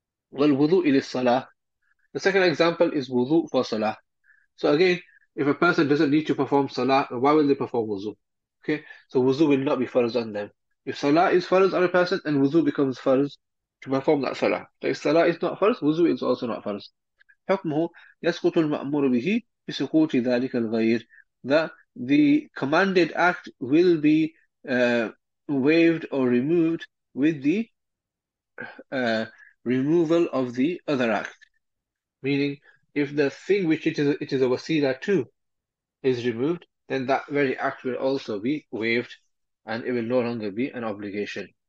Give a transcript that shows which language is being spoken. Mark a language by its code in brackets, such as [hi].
[ar] Wal wudu ila salah. [en] The second example is wudu for salah. So again, if a person doesn't need to perform salah, why will they perform wudu? Okay, so wudu will not be farz on them. If salah is farz on a person, then wudu becomes farz to perform that salah. So if salah is not farz, wudu is also not farz. [ar] حكمه يسقط المأمور به بسقوط ذلك الغير. [en] That the commanded act will be waived or removed with the removal of the other act. Meaning, if the thing which it is a wasila to is removed, then that very act will also be waived and it will no longer be an obligation.